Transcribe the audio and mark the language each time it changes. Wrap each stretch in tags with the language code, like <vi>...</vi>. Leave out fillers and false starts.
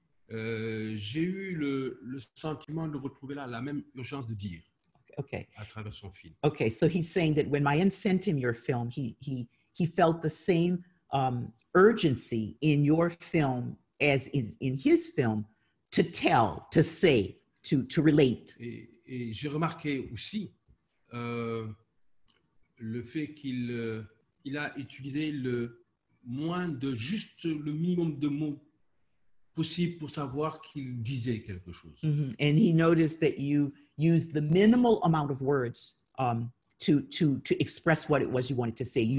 <fr>J'ai eu le sentiment de retrouver là la même urgence de dire.</fr> <en>Okay.</en> <fr>À travers son film.</fr> <en>Okay, so he's saying that when Maëlle sent him your film, he felt the same urgency in your film as is in his film to tell, to say, to relate.</en> <fr>Et j'ai remarqué aussi le fait qu'il il a utilisé le moins de juste le minimum de mots possible pour savoir qu'il disait quelque chose. Mm-hmm.</fr> <en>And he noticed that you used the minimal amount of words to express what it was you wanted to say.</en>